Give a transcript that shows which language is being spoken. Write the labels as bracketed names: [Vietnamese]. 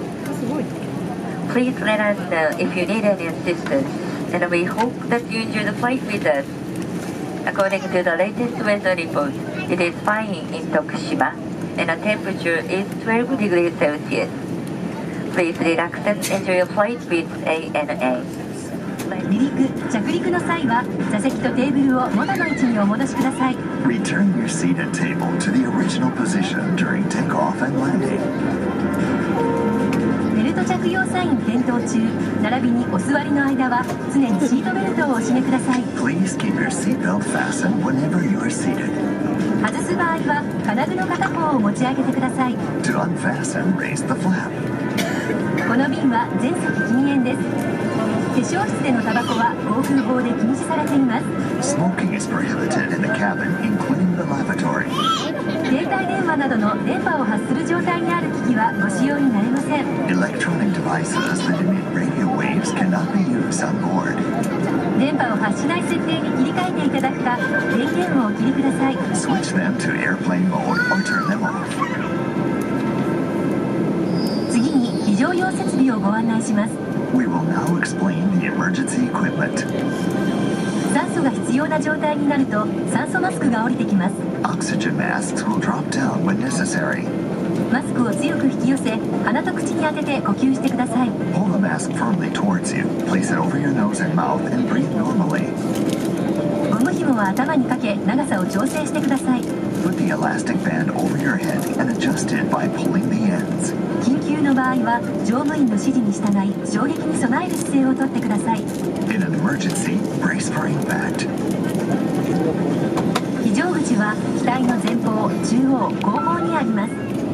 [English] Please let us know if you need any assistance, and we hope that you enjoy the flight with us. According to the latest weather report, it is fine in Tokushima, and the temperature is 12 degrees Celsius. Please relax and enjoy your flight with ANA. [Japanese] 離陸、着陸の際は座席とテーブルを元の位置にお戻しください。 [English] Return your seat and table to the original position during takeoff and landing. [Japanese] 着用サイン点灯中、並びにお座りの間は常にシートベルトをお締めください。 [English] Please keep your seatbelt fastened whenever you are seated. [Japanese] 外す場合は金具の片方を持ち上げてください。 [English] To unfasten, raise the flap. [Japanese] この便は全席禁煙です。化粧室でのタバコは防空法で禁止されています。 [English] Smoking is prohibited in the cabin, including the lavatory. [Japanese] 携帯電話などの電波を発する状態にある機器はご使用になれません。 [English] Electronic devices that emit radio waves cannot be used on board. [Japanese] 電波を発しない設定に切り替えていただくか、電源をお切りください。 [English] Switch them to airplane mode or turn them off. [Japanese] 次に非常用設備をご案内します。 [English] We will now explain the emergency equipment. [Japanese] 酸素が必要な状態になると酸素マスクが降りてきます。 [English] Oxygen masks will drop down when necessary. [Japanese] マスクを強く引き寄せ、鼻と口に当てて呼吸してください。 [English] Hold a mask firmly towards you. Place it over your nose and mouth and breathe normally. [Japanese] ゴム紐は頭にかけ、長さを調整してください。 [English] Put the elastic band over your head and adjust it by pulling the ends. [Japanese] 緊急の場合は乗務員の指示に従い、衝撃に備える姿勢をとってください。 [English] In an emergency, brace for impact. [Japanese] 非常口は機体の前方、中央、後方にあります。